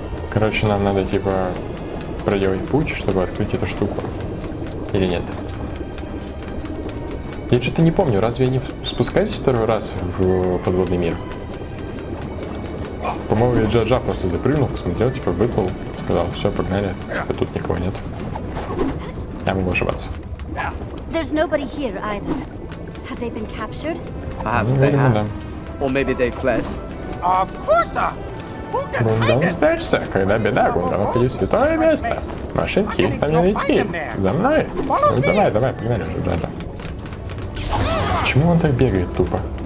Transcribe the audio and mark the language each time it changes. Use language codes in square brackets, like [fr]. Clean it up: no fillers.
[ru] Короче, нам надо, типа, проделать путь, чтобы открыть эту штуку. Или нет? Я что-то не помню, разве они спускались второй раз в подводный мир? По-моему, я Джаджа просто запрыгнул, посмотрел, типа выплыл, сказал, все, погнали, типа тут никого нет. Я могу ошибаться. [en] There's nobody here either. Have they been captured? Perhaps they have. Or maybe they fled. Of course. [ru] Гундам спрячься, когда беда, Гундам, уходи в святое место. Машинки, их там не найти. За мной. Ну, давай, давай, погнали уже, Джаджа. Почему он так бегает тупо?